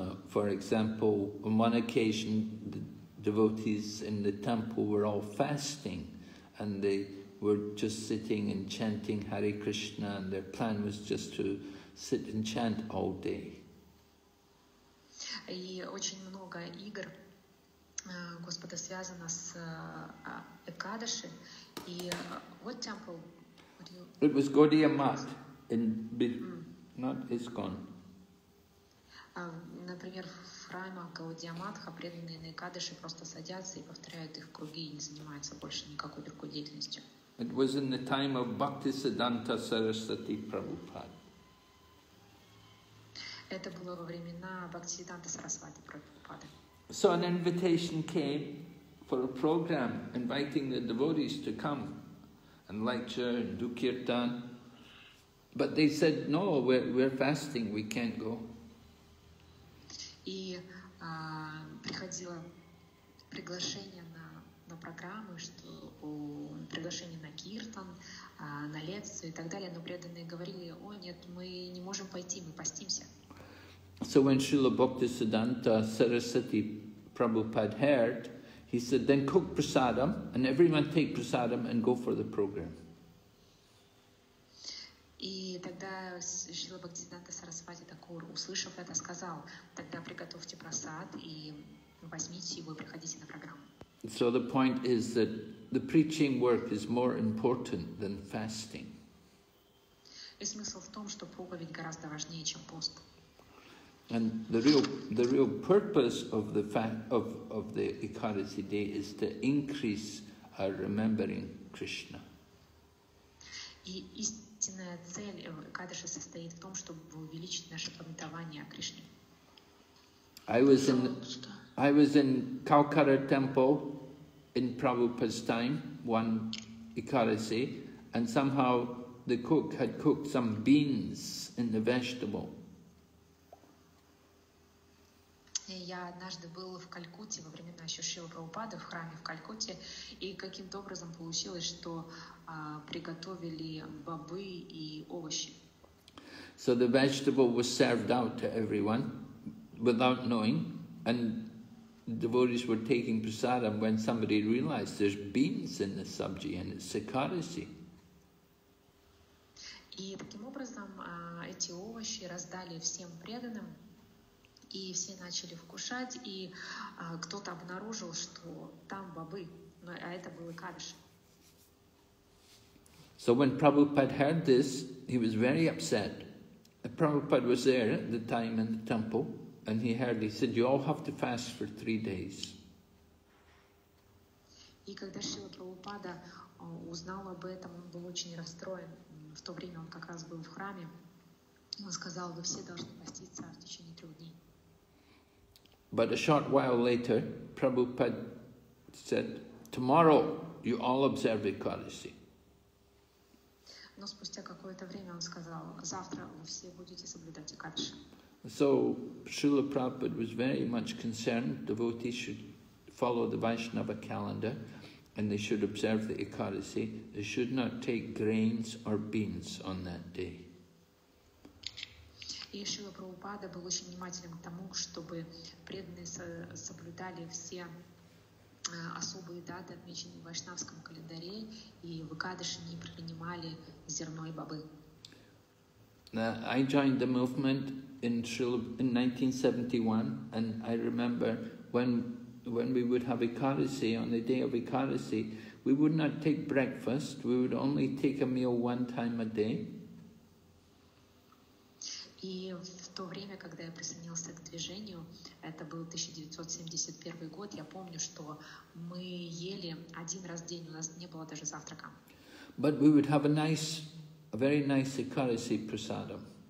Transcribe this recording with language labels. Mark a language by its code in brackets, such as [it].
[en] For example, on one occasion, the devotees in the temple were all fasting, and they were just sitting and chanting Hare Krishna, and their plan was just to sit and chant all day. [ru] И очень много игр Господа связано с Экадаши. И [en] what temple? It was Gaudiya Math in not ISKCON. [ru] Например, в храмах Гаудия Матха преданные на Экадаши просто садятся и повторяют их круги и не занимаются больше никакой другой деятельностью. [en] It was in the time of Bhaktisiddhanta Saraswati Prabhupada. [ru] Это было во времена Бхактисиддханта Сарасвати Прабхупады. [en] So an invitation came for a program inviting the devotees to come and lecture and do kirtan. But they said, no, we're fasting, we can't go. [ru] И приходило приглашение на программу, приглашение на киртан, на лекцию и так далее, но преданные говорили, о нет, мы не можем пойти, мы постимся. [en] So when Srila Bhaktisiddhanta Saraswati Prabhupada heard, he said, then cook prasadam, and everyone take prasadam and go for the program. [ru] И тогда Шрила Бхактисиддханта Сарасвати Такур, услышав это, сказал, тогда приготовьте прасад и возьмите его и приходите на программу. [en] So the point is that the preaching work is more important than fasting. [ru] И смысл в том, что проповедь гораздо важнее, чем пост. [en] And the real purpose of the fact of the Ekadasi day is to increase our remembering Krishna. [ru] И истинная цель Экадаши состоит в том, чтобы увеличить наше памятование о Кришне. [en] I was in Calcutta temple in Prabhupada's time one Ekadasi, and somehow the cook had cooked some beans in the vegetable. [ru] Я однажды был в Калькутте во времена еще Шрилы Прабхупады в храме в Калькутте, и каким-то образом получилось, что приготовили бобы и овощи. [en] So the vegetable was served out to everyone without knowing, and devotees were taking prasadam when somebody realized there's beans in the sabji and it's Ekadasi. [ru] И таким образом эти овощи раздали всем преданным. И все начали вкушать, и кто-то обнаружил, что там бобы, а это был Экадаши. [en] So when Prabhupada heard this, he was very upset. Prabhupada was there at the time in the temple, and he said, you all have to fast for 3 days. [ru] И когда Шрила Прабхупада узнал об этом, он был очень расстроен. В то время он как раз был в храме. Он сказал, вы все должны поститься в течение 3 дней. [en] But a short while later, Prabhupada said, tomorrow you all observe Ekadasi. [ru] Но спустя какое-то время он сказал, завтра вы все будете соблюдать Экадаши. [en] So Srila Prabhupada was very much concerned devotees should follow the Vaishnava calendar and they should observe the Ekadasi. They should not take grains or beans on that day. [ru] И Шрила Прабхупада был очень внимателен к тому, чтобы преданные соблюдали все особые даты, отмеченные в вайшнавском календаре, и в Экадаши не принимали зерно и бобы. [en] I joined the movement in 1971, and I remember when we would have Ekadasi, on the day of Ekadasi, we would not take breakfast, we would only take a meal one time a day. [ru] И в то время, когда я присоединился к движению, это был 1971 год, я помню, что мы ели один раз в день, у нас не было даже завтрака. [en] But we would have a nice, a very nice Ekadasi prasadam.